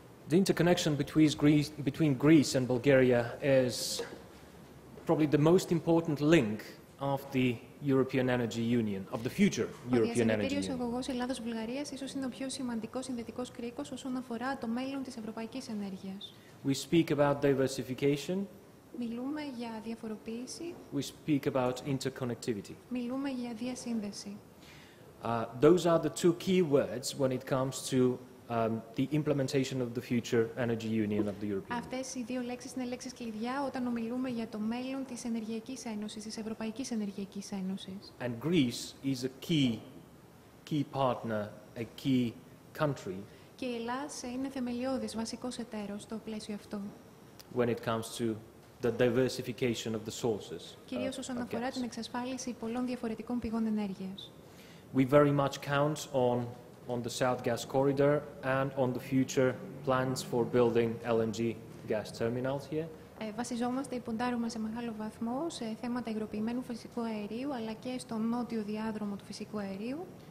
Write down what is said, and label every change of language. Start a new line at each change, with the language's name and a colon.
English: The interconnection between Greece and Bulgaria is probably the most important link of the European Energy Union, of the future European Energy Union.
Greek: Ο αγωγός Ελλάδος-Βουλγαρίας ίσως είναι ο πιο σημαντικός συνδετικός κρίκος όσον αφορά το μέλλον της ευρωπαϊκής ενέργειας.
English: We speak about diversification.
Greek: Μιλούμε για διαφοροποίηση.
English: We speak about interconnectivity.
Greek: Μιλούμε για διασύνδεση.
English: Those are the two key words when it comes to the implementation of the future energy union of the European Union.
Greek: Αυτές οι δύο λέξεις είναι λέξεις κλειδιά όταν ομιλούμε για το μέλλον της ενεργειακής ένωσης, της Ευρωπαϊκής Ενεργειακής Ένωσης.
English: And Greece is a key partner, a key country.
Greek: Και η Ελλάς είναι θεμελιώδης, βασικός εταίρος στο πλαίσιο αυτό.
English: When it comes to the diversification of the sources.
Greek: Κυρίως όσον αφορά την εξασφάλιση πολλών διαφορετικών πηγών ενέργειας.
English: We very much count on the South Gas Corridor and on the future plans for building LNG gas terminals here.
Greek: Βασιζόμαστε, υποντάρουμε σε μεγάλο βαθμό σε θέματα υγροποιημένου φυσικού αερίου, αλλά και στον νότιο διάδρομο του φυσικού αερίου.